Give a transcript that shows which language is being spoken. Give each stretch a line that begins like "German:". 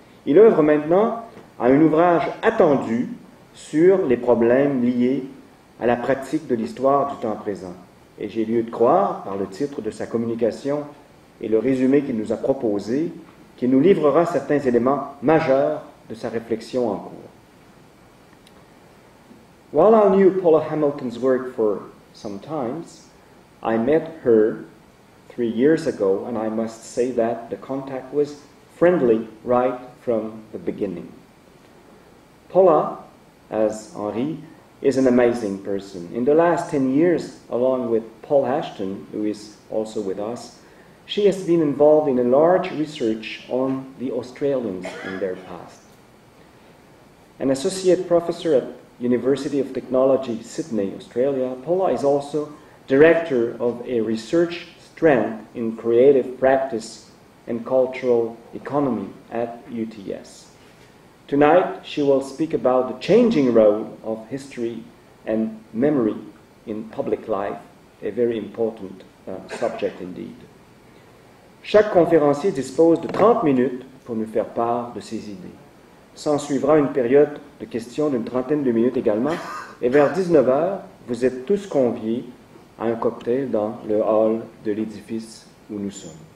French: Il œuvre maintenant à un ouvrage attendu sur les problèmes liés à la pratique de l'histoire du temps présent. Et j'ai lieu de croire, par le titre de sa communication et le résumé qu'il nous a proposé, qu'il nous livrera certains éléments majeurs de sa réflexion en cours.
English: While I knew Paula Hamilton's work for some time, I met her 3 years ago, and I must say that the contact was friendly right from the beginning. Paula, as Henri, is an amazing person. In the last 10 years, along with Paul Ashton, who is also with us, she has been involved in a large research on the Australians in their past. An associate professor at University of Technology, Sydney, Australia, Paula is also director of a research strand in creative practice and cultural economy at UTS. Tonight, she will speak about the changing role of history and memory in public life, a very important subject indeed.
French: Chaque conférencier dispose de 30 minutes pour nous faire part de ses idées. S'en suivra une période de questions d'une trentaine de minutes également, et vers 19h, vous êtes tous conviés à un cocktail dans le hall de l'édifice où nous sommes.